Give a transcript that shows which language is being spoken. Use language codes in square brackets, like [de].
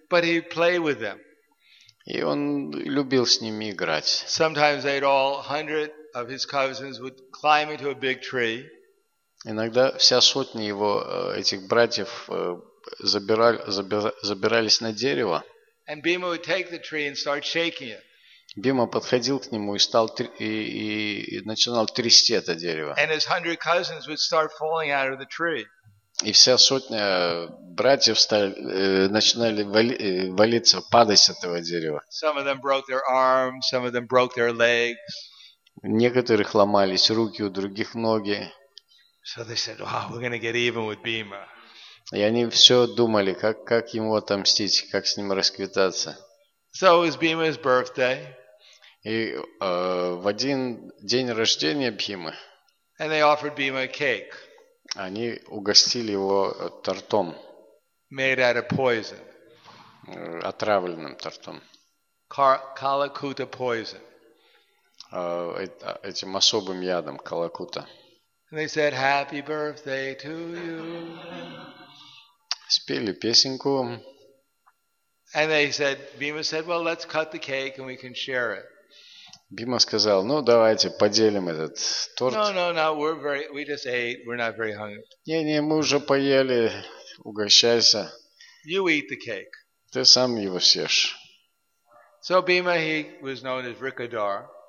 [en] But he'd play with them. [ru] И он любил с ними играть. [en] Sometimes they'd all 100 of his cousins would climb into a big tree. [ru] Иногда вся сотня его этих братьев забирались на дерево. [en] And Bhima would take the tree and start shaking it. [ru] Бхима подходил к нему и начинал трясти это дерево. [en] And his 100 cousins would start falling out of the tree. [ru] И вся сотня братьев начинали валиться, падать с этого дерева. [en] Some of them broke their arms, some of them broke their legs. [ru] Некоторых ломались руки, у других ноги. [en] So they said, wow, we're gonna get even with Bhima. [ru] И они все думали, как ему отомстить, как с ним расквитаться. [en] So it was Bhima's birthday. [ru] И в один день рождения Бхимы. [en] And they offered Bhima a cake. [ru] Они угостили его тортом. [en] Made out of poison. [ru] Отравленным тортом. [en] Калакута poison. [ru] Этим особым ядом Калакута. [en] And they said, happy birthday to you. [ru] Спели песенку. [en] And they said, Bhima said, well, let's cut the cake and we can share it. [ru] Бхима сказал, ну давайте поделим этот торт. Не, мы уже поели, угощайся. [en] You eat the cake. [ru] Ты сам его съешь. [en] So Bhima, he was known as Vrikadhara.